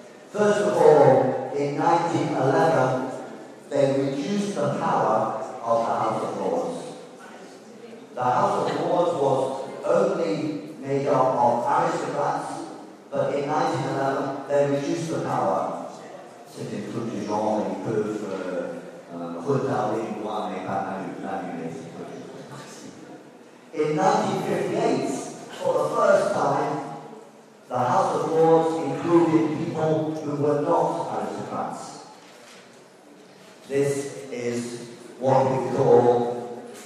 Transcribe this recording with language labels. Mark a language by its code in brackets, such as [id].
[en] First of all, in 1911, they reduced the power of the House of Lords. The House of Lords was only made up of aristocrats, but in 1911 they reduced the power. [fr] C'est des trucs du genre, ils peuvent retarder le droit, mais pas annuler. [en] In 1958, for the first time, the House of Lords included people who were not aristocrats. This is what we call